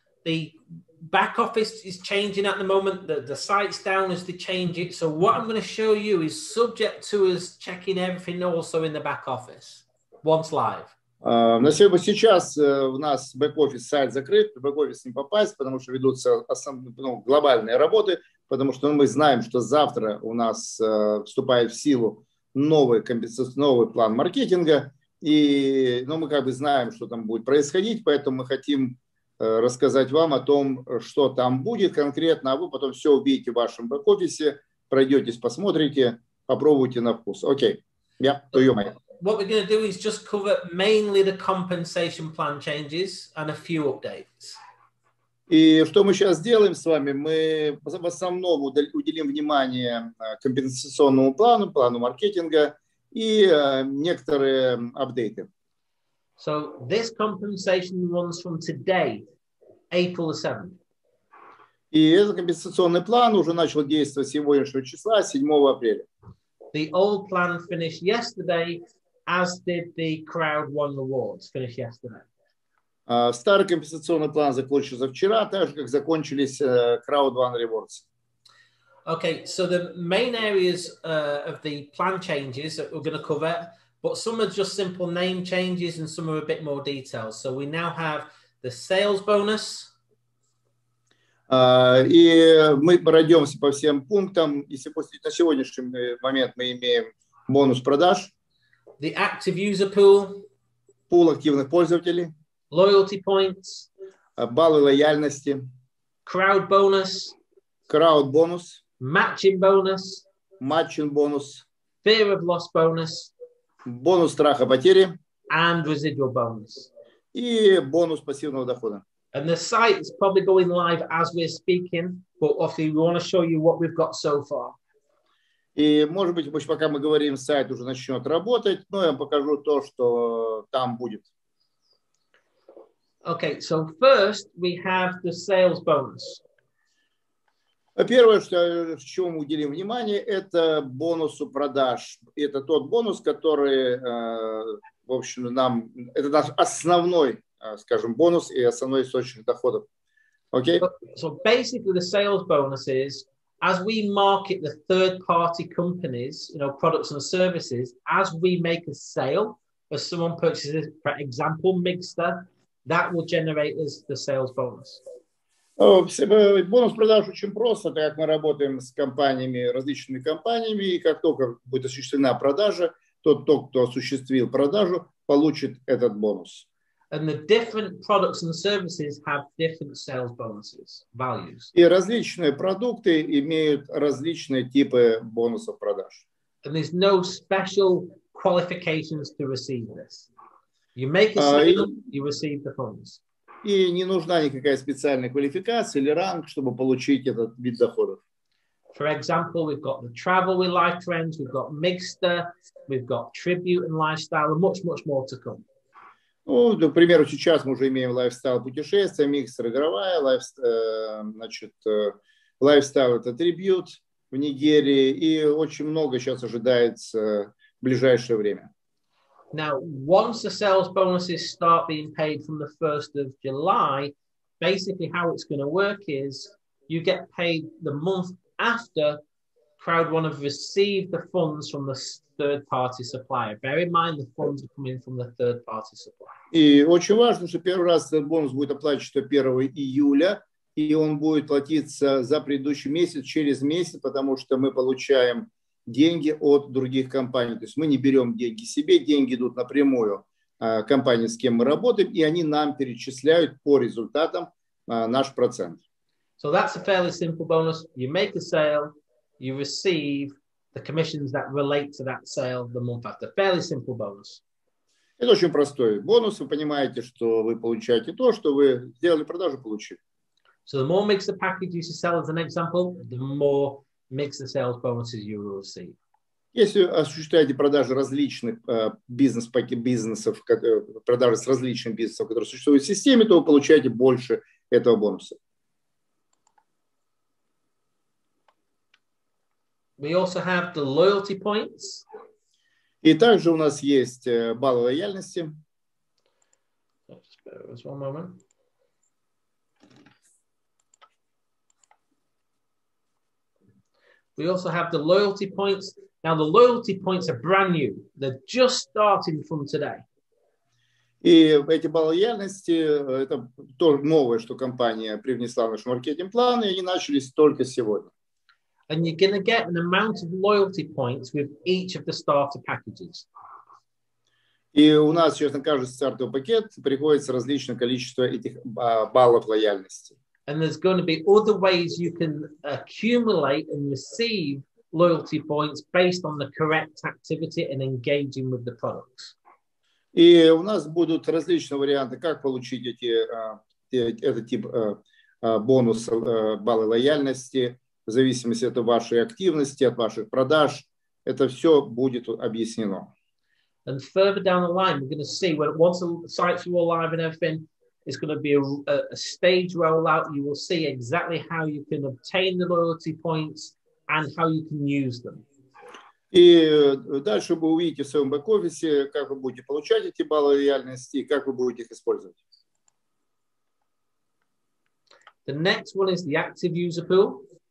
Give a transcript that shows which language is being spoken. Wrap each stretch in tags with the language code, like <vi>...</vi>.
<en>The back office is changing at the moment. The site's down as they change it. So what I'm going to show you is subject to us checking everything also in the back office once live.</en> <ru>Сейчас у нас бэк-офис сайт закрыт, в бэк-офис не попасть, потому что ведутся глобальные работы, потому что мы знаем, что завтра у нас вступает в силу новый план маркетинга, и мы как бы знаем, что там будет происходить, поэтому мы хотим рассказать вам о том, что там будет конкретно, а вы потом все увидите в вашем бэк-офисе, пройдетесь, посмотрите, попробуйте на вкус. Окей, я даю мое.</ru> <en>What we're going to do is just cover mainly the compensation plan changes and a few updates.</en> <ru>И что мы сейчас сделаем с вами? Мы в основном уделим внимание компенсационному плану, плану маркетинга и некоторые апдейты.</ru> <en>So this compensation runs from today, April 7th.</en> <ru>И этот компенсационный план уже начал действовать с сегодняшнего числа, 7 апреля.</ru> <en>The old plan finished yesterday. As did the crowd won awards finished yesterday.</en> <ru>Старый компенсационный план закончился вчера, так же как закончились crowd won rewards.</ru> <en>Okay, so the main areas of the plan changes that we're going to cover, but some are just simple name changes and some are a bit more details. So we now have the sales bonus.</en> <ru>И мы пройдемся по всем пунктам. Если после на сегодняшний момент мы имеем бонус продаж.</ru> <en>The active user pool.</en> <ru>Пул активных пользователей.</ru> <en>Loyalty points.</en> <ru>Баллы лояльности.</ru> <en>Crowd bonus. Crowd bonus. Matching bonus. Matching bonus. Fear of loss bonus.</en> <ru>Бонус страха потери.</ru> <en>And residual bonus.</en> <ru>И бонус пассивного дохода.</ru> <en>And the site is probably going live as we're speaking, but obviously we want to show you what we've got so far.</en> <ru>И, может быть, пока мы говорим, сайт уже начнет работать, но я вам покажу то, что там будет.</ru> <en>Okay, so first we have the sales bonus.</en> <ru>Первое, что, чему мы уделим внимание, это бонусу продаж. Это тот бонус, который, в общем, нам, это наш основной, скажем, бонус и основной источник доходов.</ru> <en>Okay? So basically the sales bonus is as we market the third-party companies, you know, products and services, as we make a sale, as someone purchases, for example, Mixer, that will generate us the sales bonus.</en> <ru>Бонус продаж очень просто, так как мы работаем с компаниями, различными компаниями, и как только будет осуществлена продажа, тот, кто осуществил продажу, получит этот бонус.</ru> <en>And the different products and services have different sales bonuses, values.</en> <ru>И различные продукты имеют различные типы бонусов продаж.</ru> <en>And there's no special qualifications to receive this. You make a sale, you receive the funds.</en> <ru>И не нужна никакая специальная квалификация или ранг, чтобы получить этот вид доходов.</ru> <en>For example, we've got the travel with Life Trends, we've got Mixter, we've got Tribute and Lifestyle, and much, much more to come.</en> <ru>Ну, к примеру, сейчас мы уже имеем лайфстайл путешествия, Mixer игровая, лайфстайл это трибьют в Нигерии, и очень много сейчас ожидается в ближайшее время.</ru> <en>Now, once the sales bonuses start being paid from the 1st of July, basically how it's going to work is you get paid the month after CrowdOne have received the funds from the third-party supplier. Bear in mind, the funds are coming from the third-party supplier.</en> <ru>И очень важно, что первый раз этот бонус будет оплачен 1 июля, и он будет платиться за предыдущий месяц, через месяц, потому что мы получаем деньги от других компаний. То есть мы не берем деньги себе, деньги идут напрямую компании, с кем мы работаем, и они нам перечисляют по результатам наш процент.</ru> <en>So that's a fairly simple bonus. You make a sale, you receive the commissions that relate to that sale the month after. Fairly simple bonus.</en> <ru>Это очень простой бонус. Вы понимаете, что вы получаете то, что вы сделали продажу, получили.</ru> <en>So the more Mixer packages you sell, as an example, the more Mixer sales bonuses you will receive.</en> <ru>Если осуществляете продажи различных бизнесов, продажи с различных бизнесов, которые существуют в системе, то вы получаете больше этого бонуса.</ru> <en>We also have the loyalty points.</en> <ru>И также у нас есть баллы лояльности.</ru> <en>Just bear with us one moment. We also have the loyalty points. Now, the loyalty points are brand new. They're just starting from today.</en> <ru>И эти баллы лояльности, это то новое, что компания привнесла в наш маркетинг-план, и они начались только сегодня.</ru> <en>And you're going to get an amount of loyalty points with each of the starter packages.</en> <ru>И у нас, честно говоря, стартовый пакет приходится различное количество этих баллов лояльности.</ru> <en>And there's going to be other ways you can accumulate and receive loyalty points based on the correct activity and engaging with the products.</en> <ru>И у нас будут различные варианты, как получить эти, этот тип бонус, баллы лояльности, в зависимости от вашей активности, от ваших продаж. Это все будет объяснено.</ru> <en>And further down the line, we're going to see when once the sites are all live and everything, it's going to be a stage rollout. You will see exactly how you can obtain the loyalty points and how you can use them.</en> <ru>И дальше вы увидите в своем бэк-офисе, как вы будете получать эти баллы лояльности и как вы будете их использовать.</ru> <en>The next one is the active user pool.</en>